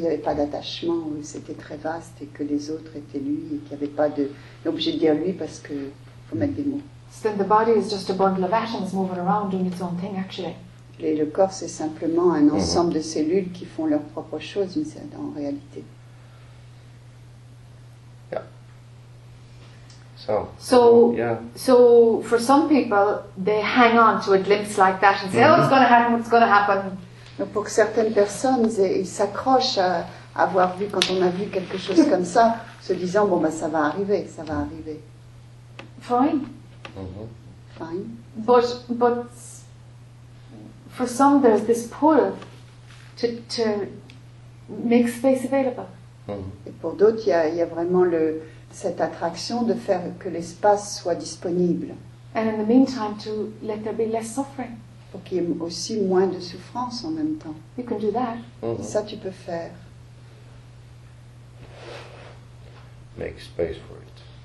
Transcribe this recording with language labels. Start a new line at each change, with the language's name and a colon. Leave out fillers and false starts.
French: Il n'y avait pas d'attachement, où c'était très vaste et que les autres étaient lui et qu'il n'y avait pas de. Il est obligé de dire lui parce que faut mettre des mots.
English: So then the body is just a bundle of atoms moving around doing its own thing, actually.
French: Et le corps c'est simplement un ensemble de cellules qui font leurs propres choses en réalité.
English: So, for some people, they hang on to a glimpse like that and say, mm-hmm. "Oh, it's going to happen. It's going to happen."
French: Donc pour certaines personnes, ils s'accrochent à avoir vu quand on a vu quelque chose comme ça, se disant, "Bon, bah, ça va arriver. Ça va arriver."
English: Fine. Mm-hmm. Fine. But for some, there's this pull to make space available. Mm-hmm.
French: Et pour d'autres, il y a vraiment le cette attraction de faire que l'espace soit disponible.
English: And in the meantime, to let there be less suffering.
French: Pour qu'il y ait aussi moins de souffrance en même temps.
English: You can do that. Mm-hmm.
French: Ça, tu peux faire.
English: Make space for it.